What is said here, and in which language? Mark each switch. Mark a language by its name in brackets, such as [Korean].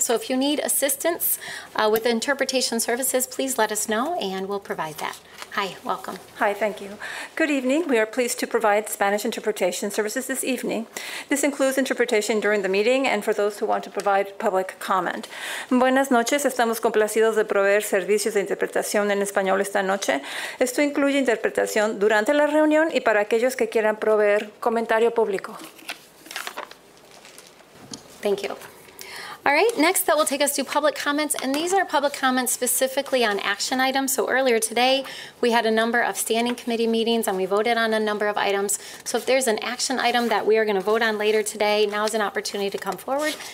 [English] So if you need assistance with interpretation services, please let us know and we'll provide that. Hi, welcome. Hi, thank you. Good evening. We are pleased to provide Spanish interpretation services this evening. This includes interpretation during the meeting and for those who want to provide public comment. [Spanish] Buenas noches. Estamos complacidos de proveer servicios de interpretación en español esta noche. Esto incluye interpretación durante la reunión y para aquellos que quieran proveer comentario público. [English] Thank you. All right, next that will take us to public comments, and these are public comments specifically on action items. So earlier today, we had a number of standing committee meetings and we voted on a number of items. So if there's an action item that we are gonna vote on later today, now is an opportunity to come forward.